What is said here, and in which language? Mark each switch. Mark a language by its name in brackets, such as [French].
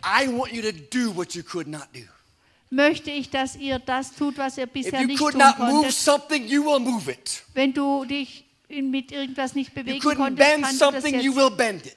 [English] I want you to do what you could not do. [German] Möchte ich, dass ihr das tut, was ihr bisher nicht tun konntet. [English] If you could not move something, you will move it. [German] Wenn du dich mit irgendwas nicht bewegen konntest, kannst du das jetzt. [English] You couldn't bend something, you will bend it.